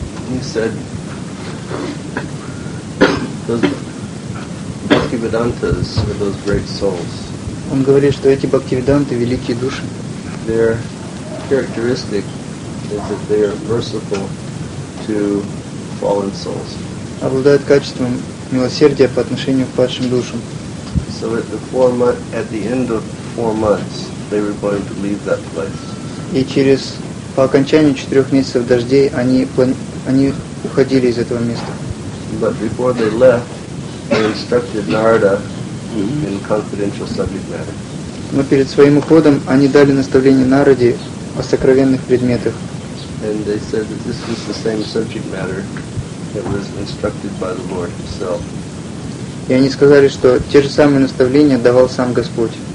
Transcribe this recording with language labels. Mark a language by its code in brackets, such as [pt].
[en] He said, those Bhaktivedantas are those great souls. [ru] Он говорит, что эти Бхактивиданты великие души. [en] Their characteristic is that they are merciful to fallen souls. [ru] Обладают качеством милосердия по отношению к падшим душам. [en] So at the format at the end of 4 months, they were going to leave that place. [ru] И через по окончании 4 месяцев дождей они уходили из этого места. [en] But before they left, they instructed Narada in confidential subject matter. [ru] Но перед своим уходом они дали наставление Нараде о сокровенных предметах. [en] And they said that this was the same subject matter that was instructed by the Lord Himself. [ru] И они сказали, что те же самые наставления давал сам Господь.